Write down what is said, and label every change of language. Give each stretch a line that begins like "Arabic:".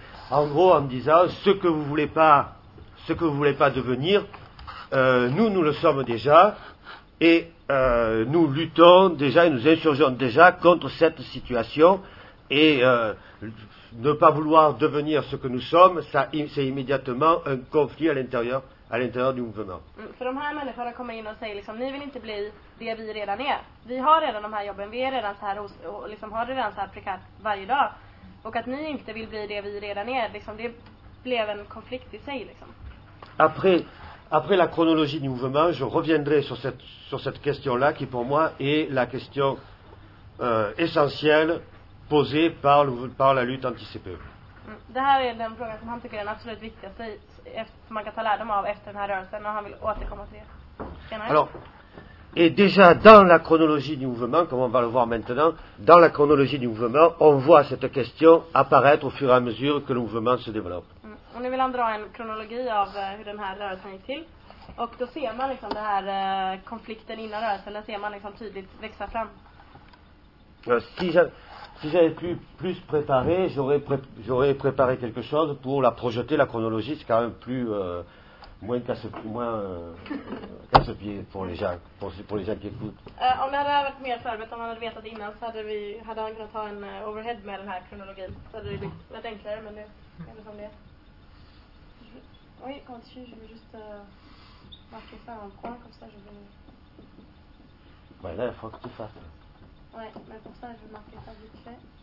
French: En gros, en disant ce que vous voulez pas, ce que vous ne voulez pas devenir, nous le sommes déjà, et nous luttons déjà et nous insurgeons déjà contre cette situation, et ne pas vouloir devenir ce que nous sommes, ça, c'est immédiatement un conflit à l'intérieur du mouvement.
Swedish: För de här människorna kommer in och säger liksom, ni vill inte bli det vi redan är. Vi har redan de här jobben, vi är redan så här liksom, har redan så här prekärt varje dag, och att ni inte vill bli det vi redan är, liksom, det blev en konflikt i sig liksom.
French: Après la chronologie du mouvement, je reviendrai sur cette question-là qui, pour moi, est la question essentielle posée par la lutte anti-CPE.
Swedish: Det här är den frågan som han tycker är den absolut viktigaste som man kan ta lärdom av efter den här rörelsen, och han vill återkomma till det.
French: Alors, et déjà dans la chronologie du mouvement, comme on va le voir maintenant, dans la chronologie du mouvement, on voit cette question apparaître au fur et à mesure que le mouvement se développe.
Swedish: Och nu vill han dra en kronologi av hur den här rörelsen gick till. Och då ser man liksom den här konflikten innan rörelsen, den ser man liksom tydligt växa fram.
French: Si j'avais pu plus préparé, j'aurais préparé quelque chose pour la projeter, la chronologie, c'est quand même plus moins casse-pied pour les gens qui écoutent.
Swedish: Om det hade varit mer förberett, om man hade vetat innan, så hade han kunnat ha en overhead med den här kronologin. Så hade det blivit enklare, men det är som det.
French: Oui, quand tu je veux juste marquer ça en point, comme ça je vais. Bah là, il faut que tu fasses. Ouais, mais pour ça, je vais marquer ça vite fait.